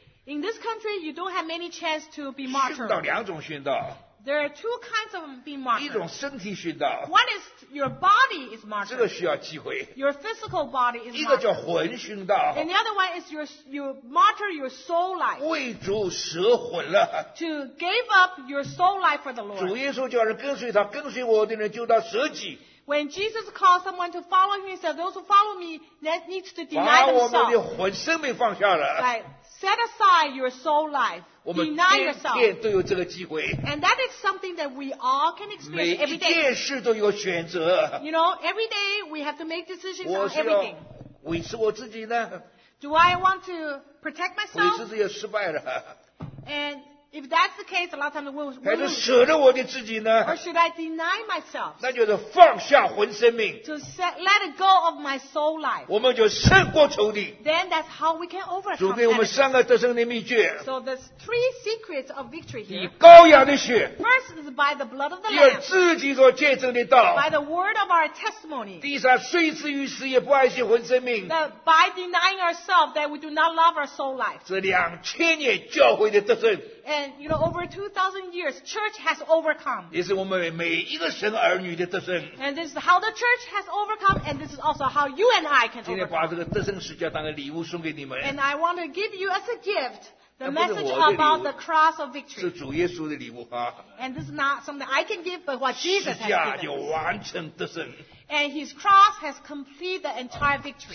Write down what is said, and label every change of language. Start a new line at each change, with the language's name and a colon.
English: In this country, you don't have many chance to be martyred.
Chinese: 殉道两种殉道。
English: There are two kinds of being martyred.
Chinese: 一种身体殉道。
English: One is your body is martyred.
Chinese: 这个需要机会。
English: Your physical body is martyred.
Chinese: 一个叫魂殉道。
English: And the other one is you martyr your soul life.
Chinese: 为主舍魂了。
English: To give up your soul life for the Lord.
Chinese: 主耶稣叫人跟随他，跟随我的人就当舍己。
English: When Jesus calls someone to follow him, he said, those who follow me, that needs to deny themselves.
Chinese: 把我们的魂生命放下了。
English: Set aside your soul life. Deny yourself.
Chinese: 天天都有这个机会。
English: And that is something that we all can experience every day.
Chinese: 每一件事都有选择。
English: You know, every day we have to make decisions on everything.
Chinese: 我是要维持我自己呢。
English: Do I want to protect myself?
Chinese: 维持自己失败了。
English: And if that's the case, a lot of times we'll.
Chinese: 还是舍得我的自己呢？
English: Or should I deny myself?
Chinese: 那就是放下魂生命。
English: To let go of my soul life.
Chinese: 我们就胜过仇敌。
English: Then that's how we can overcome.
Chinese: 主给我们三个得胜的秘诀。
English: So there's three secrets of victory here.
Chinese: 以羔羊的血。
English: First is by the blood of the Lamb.
Chinese: 第二，自己所见证的道。
English: By the word of our testimony.
Chinese: 第三，虽至于死也不爱惜魂生命。
English: By denying ourselves that we do not love our soul life.
Chinese: 这两千年教会的得胜。
English: And you know, over 2,000 years, church has overcome.
Chinese: 也是我们每一个神儿女的得胜。
English: And this is how the church has overcome, and this is also how you and I can overcome.
Chinese: 今天把这个得胜使者当个礼物送给你们。
English: And I want to give you as a gift the message about the cross of victory.
Chinese: 是主耶稣的礼物啊。
English: And this is not something I can give, but what Jesus has given.
Chinese: 十字架就完成得胜。
English: And His cross has completed the entire victory.